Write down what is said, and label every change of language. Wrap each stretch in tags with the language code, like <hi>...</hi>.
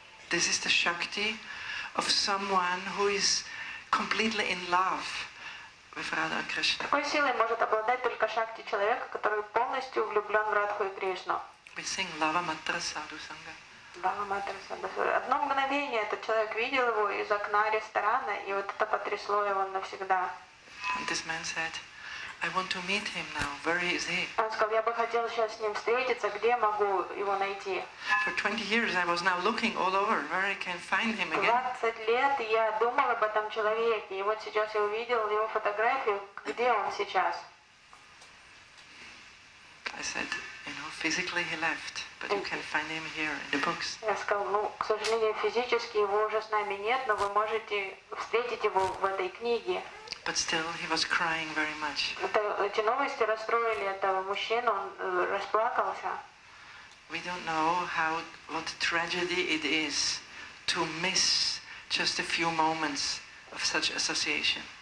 <en>This is the shakti of someone who is completely in love.</en> <ru>Такой силой может обладать только шакти человека, который полностью влюблен в Радху и Кришну.</ru> <en>We sing Lava Matra Sadhu Sangha. Баба Матра Сабасура.</en> <ru>Одно мгновение этот человек видел его из окна ресторана, и вот это потрясло его навсегда.</ru> <en>And this man said, I want to meet him now. Where is he?</en> <ru>Он сказал, я бы хотел сейчас с ним встретиться, где я могу его найти?</ru> <en>For 20 years I was now looking all over where I can find him again.</en> <ru>20 лет я думал об этом человеке, и вот сейчас я увидел его фотографию, где он сейчас?</ru> <en>I said, you know, physically he left, but you can find him here in the books.</en> <ru>Я сказал, ну, к сожалению, физически его уже с нами нет, но вы можете встретить его в этой книге.</ru> <en>But still, he was crying very much.</en> <ru>Эти новости расстроили этого мужчину, он расплакался.</ru> <en>We don't know how what tragedy it is to miss just a few moments of such association.</en>